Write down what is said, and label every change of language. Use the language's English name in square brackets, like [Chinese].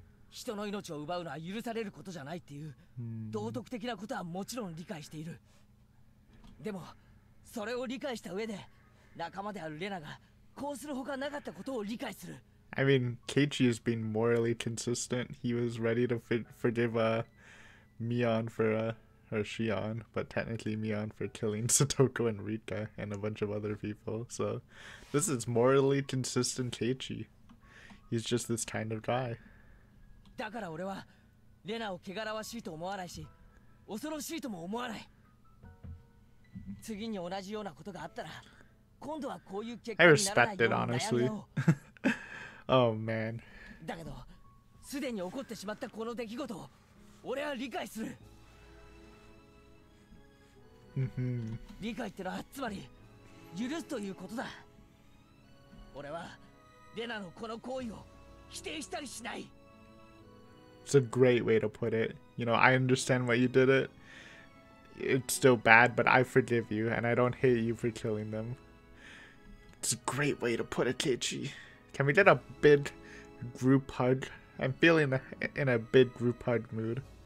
[Japanese] 人の命を奪うのは許されることじゃないっていう道徳的なことはもちろん理解している。でもそれを理解した上で仲間であるレナがこうするほかなかったことを理解する。 [English] I mean, Keiichi has been morally consistent. He was ready to forgive Mion for or Shion, but technically Mion for killing Satoko and Rika and a bunch of other people. So this is morally consistent Keiichi. He's just this kind of guy. [Japanese] だから俺はレナを汚らわしいと思わないし、恐ろしいとも思わない。次に同じようなことがあったら、今度はこういう結果にならないように悩みよう。 [English] Oh man. [Japanese] だけど、すでに起こってしまったこの出来事を俺は理解する。理解ってのはつまり許すということだ。俺はレナのこの行為を否定したりしない。 [English] It's a great way to put it. You know, I understand why you did it. It's still bad, but I forgive you and I don't hate you for killing them. It's a great way to put it, Keiichi. Can we get a big group hug? I'm feeling in a big group hug mood.